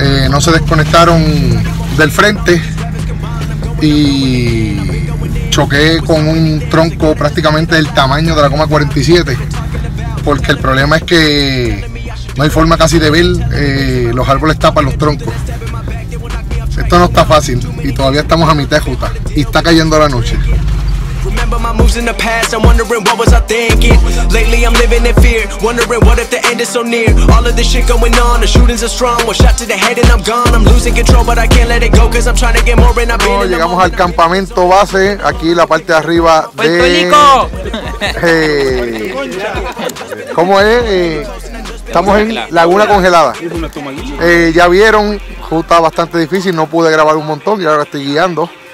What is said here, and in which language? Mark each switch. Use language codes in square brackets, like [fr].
[es] No se desconectaron del frente y choqué con un tronco prácticamente del tamaño de la goma 47. Porque el problema es que no hay forma casi de ver. Los árboles tapan los troncos. Esto no está fácil y todavía estamos a mitad de ruta y está cayendo la noche. [en] Remember my moves in the past, I'm wondering what was I thinking. Lately I'm living in fear, wondering what if the end is so near. All of this shit going on, the shootings are strong, one shot to the head and I'm gone. I'm losing control but I can't let it go, cause I'm trying to get more and I've been. [es] Llegamos al campamento base, aquí la parte de arriba de... ¡Puerto Rico! ¿Cómo es? Estamos en Laguna Congelada. Ya vieron, justo bastante difícil, no pude grabar un montón y ahora estoy guiando.